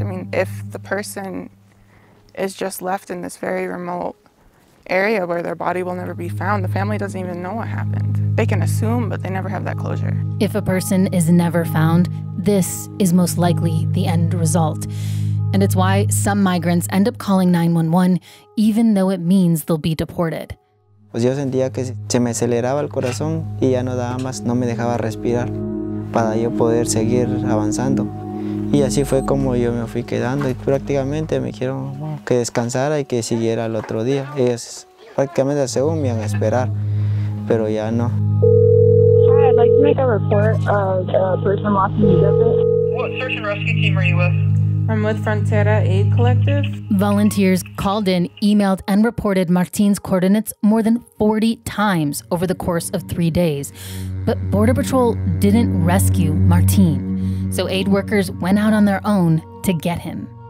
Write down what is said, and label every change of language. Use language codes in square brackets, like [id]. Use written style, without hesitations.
[en] I mean, if the person is just left in this very remote area where their body will never be found, the family doesn't even know what happened. They can assume, but they never have that closure. If a person is never found, this is most likely the end result. And it's why some migrants end up calling 911, even though it means they'll be deported. [es] Pues yo sentía que se me aceleraba el corazón y ya no daba más, no me dejaba respirar para yo poder seguir avanzando. Y así fue como yo me fui quedando y prácticamente me dijeron que descansara y que siguiera el otro día. Ellos prácticamente según me iban a esperar, pero ya no. [en] Hi, I'd like to make a report of a person lost in the desert. What search and rescue team are you with? I'm with Frontera Aid Collective. Volunteers called in, emailed, and reported Martin's coordinates more than 40 times over the course of 3 days. But Border Patrol didn't rescue Martin. So aid workers went out on their own to get him.